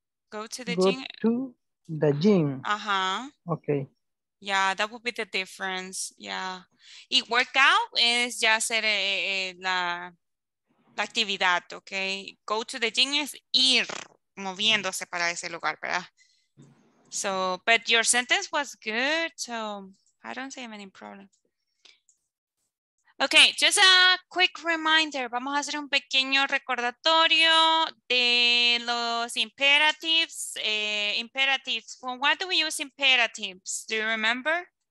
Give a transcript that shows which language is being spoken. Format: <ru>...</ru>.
<en>Go to the gym. Uh-huh. Okay. Yeah, that would be the difference. Yeah.</en> <es>Y workout es ya hacer la actividad, okay?</es> <en>Go to the gym</en> <es>es ir moviéndose para ese lugar, ¿verdad?</es> <en>So, but your sentence was good, so I don't see any problem. Okay, just a quick reminder.</en> <es>Vamos a hacer un pequeño recordatorio de los imperatives.</es> <en>Imperatives. Well, why do we use imperatives? Do you remember?</en>